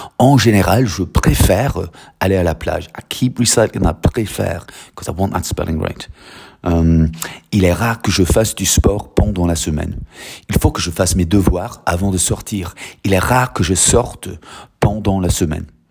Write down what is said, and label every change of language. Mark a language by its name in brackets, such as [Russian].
[French] En général, je préfère aller à la plage. [English] I keep recycling that préfère, because I want that spelling right. [French] Il est rare que je fasse du sport pendant la semaine. Il faut que je fasse mes devoirs avant de sortir. Il est rare que je sorte pendant la semaine.